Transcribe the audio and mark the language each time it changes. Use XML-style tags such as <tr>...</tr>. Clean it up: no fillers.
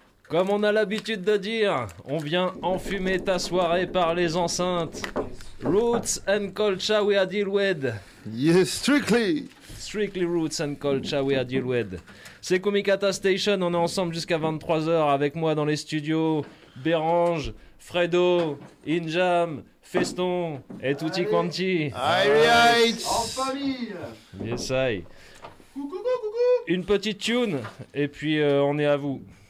<fr>Comme on a l'habitude de dire, on vient enfumer ta soirée par les enceintes.</fr> <en>Roots and culture we are deal with. Yes, strictly. Strictly roots and culture we are deal with.</en> <fr>C'est Kumikata Station, on est ensemble jusqu'à 23h avec moi dans les studios. Bérange, Fredo, Injam, Feston et Tutti Quanti.</fr> <en>Alright.</en> <fr>En famille.</fr> <en>Yes, I.</en> <fr>Coucou, coucou, coucou. Une petite tune et puis on est à vous.</fr>